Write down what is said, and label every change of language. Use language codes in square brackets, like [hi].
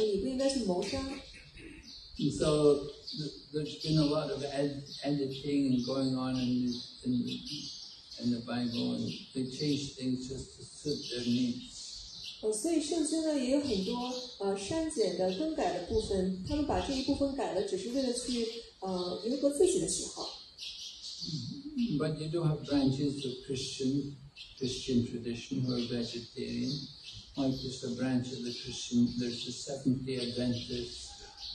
[zh] 其实，在圣经当中，以前是有这样的一句话，说你不应该杀生，但是后来人们就篡改了，改成什么呢？改成你不应该去谋杀。 [en] So there's been a lot of editing going on in the Bible, and they change things just to suit their needs. [zh] 所以圣经呢也有很多删减的、更改的部分，他们把这一部分改了，只是为了去迎合自己的喜好。 [en] But you do have branches of Christian Christian tradition who are vegetarian. Mike is a branch of the Christian. There's the Seventh-day Adventists.